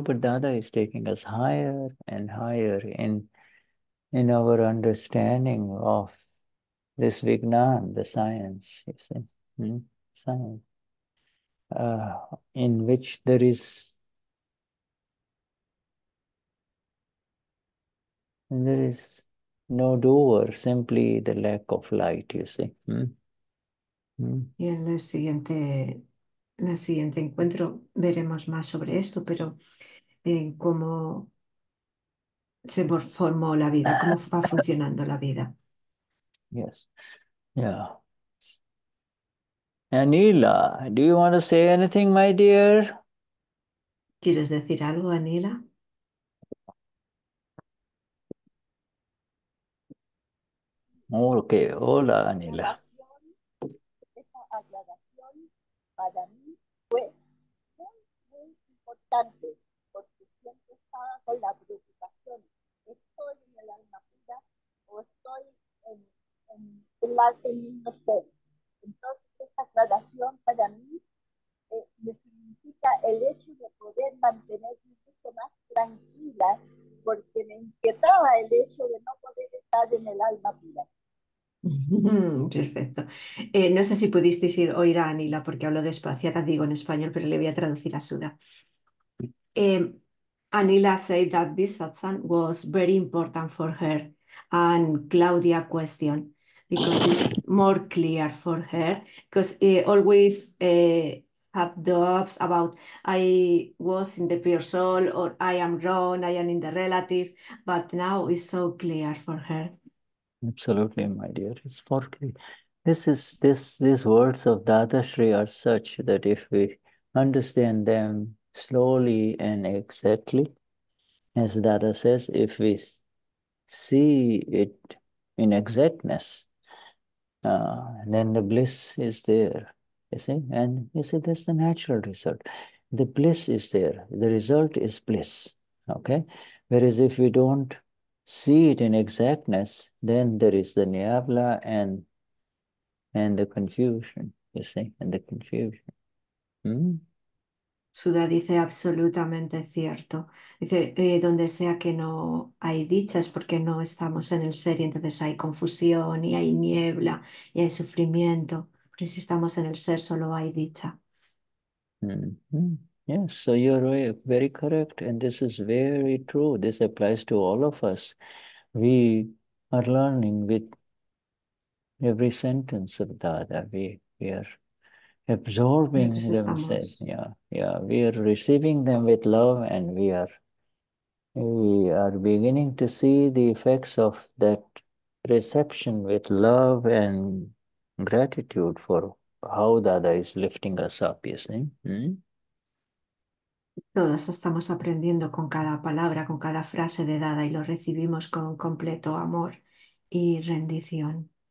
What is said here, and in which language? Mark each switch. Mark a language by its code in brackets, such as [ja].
[en] But Dada is taking us higher and higher in our understanding of this Vignan, the science, you see, science, in which there is no doer, simply the lack of light, you see. [es] Y en el siguiente encuentro veremos más sobre esto, pero en cómo se formó la vida, cómo va funcionando la vida. [en] Yes. Yeah. Anila, do you want to say anything, my dear? [es] ¿Quieres decir algo, Anila? Okay, hola, Anila. Aclaración para mí fue muy, muy importante porque siempre estaba con la preocupación, estoy en el alma pura o estoy en el mismo ser. Entonces esta aclaración para mí me significa el hecho de poder mantenerme un poco más tranquila porque me inquietaba el hecho de no poder estar en el alma pura. Perfecto. No sé si pudisteis oír a Anila porque hablo despacio, ahora digo en español, pero le voy a traducir a Suda. [en] Anila said that this satsang was very important for her and Claudia question because it's more clear for her because always have doubts about I was in the pure soul or I am wrong, I am in the relative, but now it's so clear for her. Absolutely, my dear. It's perfectly. This is this. These words of Dadashri are such that if we understand them slowly and exactly, as Dada says, if we see it in exactness, then the bliss is there. You see, and you see that's the natural result. The bliss is there. The result is bliss. Okay. Whereas if we don't see it in exactness, then there is the niebla and the confusion, you see, and the confusion. [es] Suda dice absolutamente cierto. Dice, donde sea que no hay dicha es porque no estamos en el ser y entonces hay confusión y hay niebla y hay sufrimiento. Pero si estamos en el ser solo hay dicha. [en] Yes, so you're very correct, and this is very true. This applies to all of us. We are learning with every sentence of Dada. We are absorbing [es] Mientras [en] them, say, [es] estamos. [en] yeah. We are receiving them with love, and we are beginning to see the effects of that reception with love and gratitude for how Dada is lifting us up, you see. [es] Todos estamos aprendiendo con cada palabra, con cada frase de Dada y lo recibimos con completo amor y rendición.